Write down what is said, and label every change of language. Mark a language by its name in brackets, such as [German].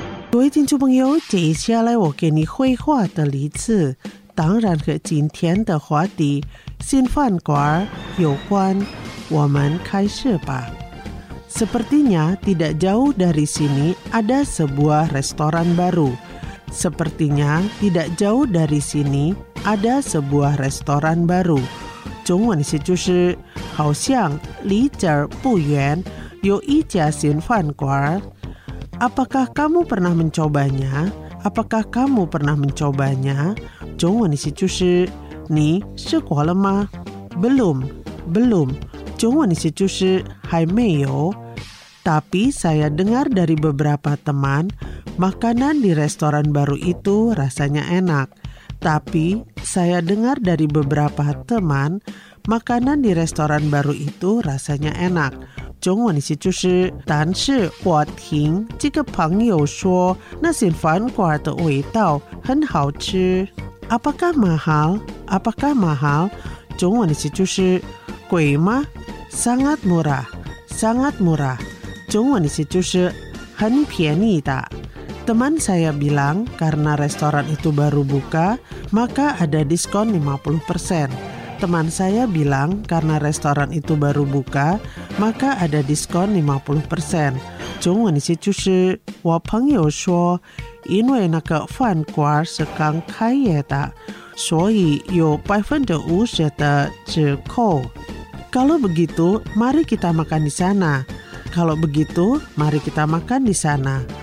[Chinese] 各位听众朋友，接下来我给你绘画的例子，当然和今天的话题新饭馆有关。我们开始吧。 [Indonesian] Sepertinya tidak jauh dari sini ada sebuah restoran baru。 Sepertinya tidak jauh dari sini ada sebuah restoran baru。 [Chinese] 中文的意思就是，好像离这儿不远有一家新饭馆。 [Indonesian] Apakah kamu pernah mencobanya? Apakah kamu pernah mencobanya? [Chinese] 中文的意思就是，你试过了吗？ [Indonesian] Belum， [Chinese] 中文的意思就是还没有。 [Indonesian] Tapi saya dengar dari beberapa teman, makanan di restoran baru itu rasanya enak. Tapi saya dengar dari beberapa teman, makanan di restoran baru itu rasanya enak. [Chinese] 中文的意思就是，但是我听这个朋友说，那些番瓜的味道很好吃。 [Indonesian] Apakah mahal? Apakah mahal? [Chinese] 中文的意思就是，贵吗？ [Indonesian] Sangat murah, sangat murah. [Chinese] 中文的意思就是很便宜的。 [Indonesian] Teman saya bilang karena restoran itu baru buka, maka ada diskon 50%. Teman saya bilang karena restoran itu baru buka, maka ada diskon 50%. [Chinese] 中文的意思就是我朋友说，因为那个饭馆是刚开业的，所以有50%的折扣。 [Indonesian] Kalau begitu, mari kita makan di sana. Kalau begitu, mari kita makan di sana.